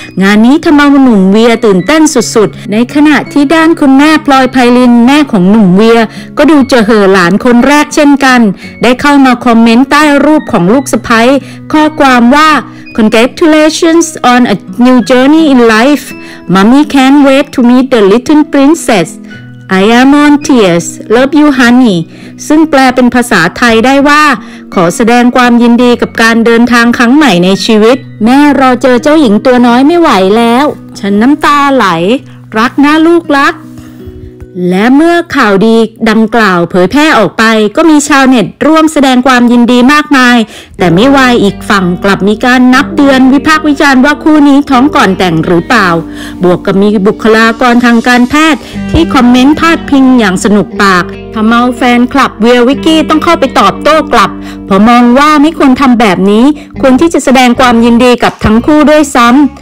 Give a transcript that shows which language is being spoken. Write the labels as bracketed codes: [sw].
[th] งานนี้ทำเอาหนุ่มเวียตื่นเต้นสุดๆในขณะที่ด้านคุณแม่พลอยไพลินแม่ของหนุ่มเวียก็ดูจะเห่อหลานคนแรกเช่นกันได้เข้ามาคอมเมนต์ใต้รูปของลูกสะใภ้ข้อความว่า [en] Congratulations on a new journey in life. Mommy can't wait to meet the little princess. I am on tears. Love you, honey. [th] ซึ่งแปลเป็นภาษาไทยได้ว่าขอแสดงความยินดีกับการเดินทางครั้งใหม่ในชีวิตแม่รอเจอเจ้าหญิงตัวน้อยไม่ไหวแล้วฉันน้ำตาไหลรักนะลูกรัก และเมื่อข่าวดีดังกล่าวเผยแพร่ออกไปก็มีชาวเน็ตร่วมแสดงความยินดีมากมายแต่ไม่วายอีกฝั่งกลับมีการนับเตือนวิพากษ์วิจารณ์ว่าคู่นี้ท้องก่อนแต่งหรือเปล่าบวกกับมีบุคลากรทางการแพทย์ที่คอมเมนต์พาดพิงอย่างสนุกปากทำเอาแฟนคลับเวียวิกกี้ต้องเข้าไปตอบโต้กลับเพราะมองว่าไม่ควรทำแบบนี้ควรที่จะแสดงความยินดีกับทั้งคู่ด้วยซ้ำ